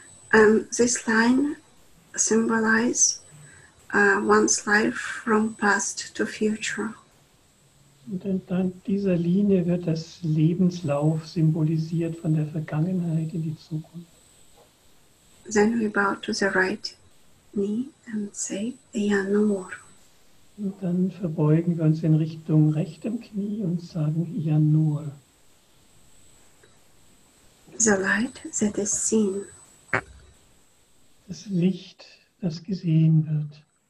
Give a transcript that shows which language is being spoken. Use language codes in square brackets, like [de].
[en] And this line symbolizes one's life from past to future. [de] Und dann dieser Linie wird das Lebenslauf symbolisiert von der Vergangenheit in die Zukunft. [en] Then we bow to the right knee and say, Yanur. [de] Und dann verbeugen wir uns in Richtung rechtem Knie und sagen, Yanur. [en] The light that is seen. [de] Das Licht, das gesehen wird.